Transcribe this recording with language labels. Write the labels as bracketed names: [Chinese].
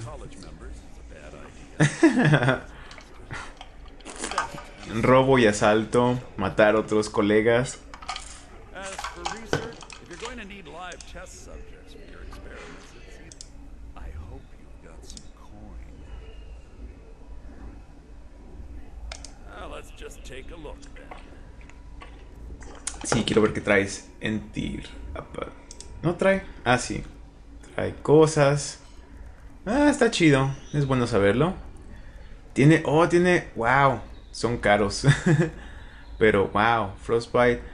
[English] college members is a bad idea. [Spanish] Robo y asalto, matar a otros colegas. [English] As for research, if you're going to need live test subjects for your experiments, it's easy. I hope you've got some coin. Let's just take a look then. [Spanish] Sí, quiero ver qué traes en tir. No trae. Ah, sí. Trae cosas. Ah, está chido. Es bueno saberlo. Tiene. Oh, tiene. Wow. Son caros. Pero, wow. Frostbite.